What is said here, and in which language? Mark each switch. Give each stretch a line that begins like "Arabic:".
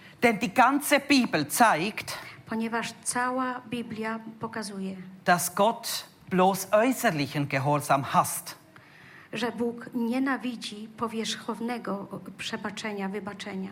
German: Denn die ganze Bibel zeigt,
Polish: ponieważ cała Biblia pokazuje,
German: dass Gott bloß äußerlichen Gehorsam hasst.
Polish: Że Bóg nienawidzi powierzchownego przebaczenia, wybaczenia.